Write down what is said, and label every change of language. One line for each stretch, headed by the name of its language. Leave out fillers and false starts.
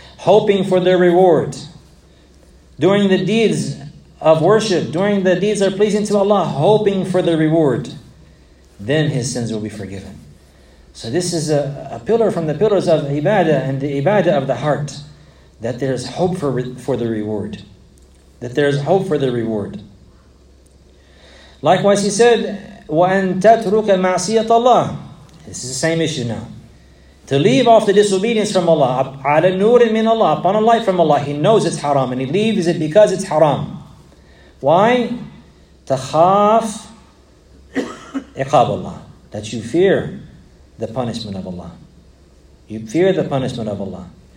English: Hoping for the reward. Doing the deeds of worship, doing the deeds that are pleasing to Allah, hoping for the reward. Then his sins will be forgiven. So this is a pillar from the pillars of ibadah and the ibadah of the heart. That there's hope for the reward. That there's hope for the reward. Likewise, he said,
Arabic: وَأَن تَتْرُكَ مَعْصِيَةَ اللَّهِ.
English: This is the same issue now. To leave off the disobedience from Allah,
Arabic: عَلَى نُورٍ مِنَ اللَّهِ,
English: upon a light from Allah, he knows it's haram, and he leaves it because it's haram. Why?
Arabic: تَخَافْ إِقَابَ اللَّهِ.
English: That you fear the punishment of Allah. You fear the punishment of Allah.